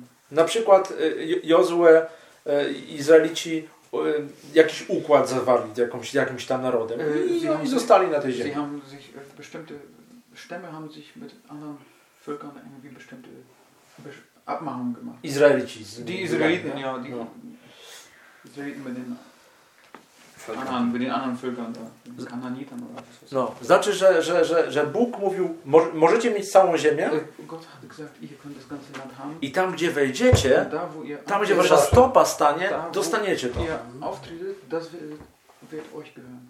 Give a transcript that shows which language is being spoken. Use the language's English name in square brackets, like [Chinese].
[Polish] Na przykład Jozue, Izraelici jakiś układ zawarli z jakimś tam narodem i oni zostali na tej ziemi. [German] Bestimmte Stämme haben sich mit anderen Völkern irgendwie bestimmte Abmachungen gemacht. [Polish] Izraelici. [German] Die Israeliten, ja. Die Israeliten mit den anderen, Völkern, da. Kananitern oder was. [Polish] No, znaczy, że Bóg mówił, możecie mieć całą ziemię. [German] Gott hat gesagt, ihr könnt das ganze Land haben. [Polish] I tam, gdzie wejdziecie, tam, gdzie wasza stopa stanie, dostaniecie to. [German] Ihr auftretet, das wird euch gehören.